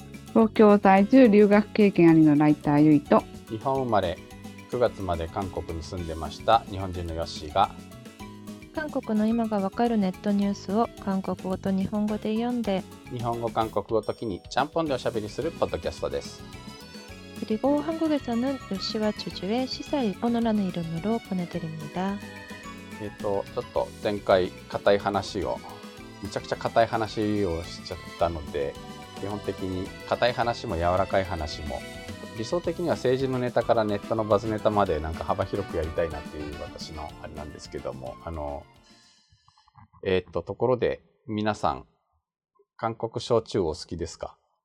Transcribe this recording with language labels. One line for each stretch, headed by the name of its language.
Japanese: 東京在住留学経験ありのライターユイと、日本生まれ9月まで韓国に住んでました日本人のヨッシーが、韓国の今がわかるネットニュースを韓国語と日本語で読んで、日本語韓国語ときにちゃんぽんでおしゃべりするポッドキャストです。
Korean: 그리고한국에서는요시와주주의시사일본어라는이름으로보내드립니다
Japanese: ちょっと前回硬い話をめちゃくちゃ硬い話をしちゃったので、基本的に硬い話も柔らかい話も理想的には政治のネタからネットのバズネタまでなんか幅広くやりたいなっていう私のあれなんですけども、ところで皆さん韓国焼酎お好きですか？